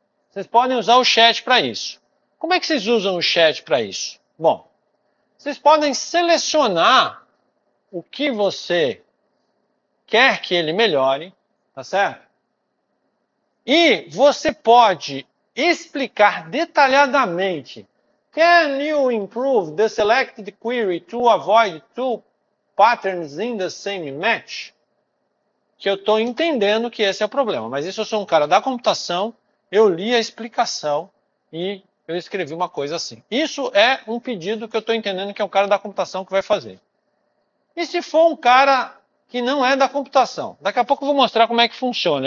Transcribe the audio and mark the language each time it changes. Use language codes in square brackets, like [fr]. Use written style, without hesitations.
[pt] Vocês podem usar o chat para isso. Como é que vocês usam o chat para isso? Bom, vocês podem selecionar o que você quer que ele melhore, tá certo? E você pode explicar detalhadamente. [en] Can you improve the selected query to avoid two patterns in the same match? [pt] Que eu estou entendendo que esse é o problema. Mas isso, eu sou um cara da computação, eu li a explicação e eu escrevi uma coisa assim. Isso é um pedido que eu estou entendendo que é um cara da computação que vai fazer. E se for um cara que não é da computação? Daqui a pouco eu vou mostrar como é que funciona.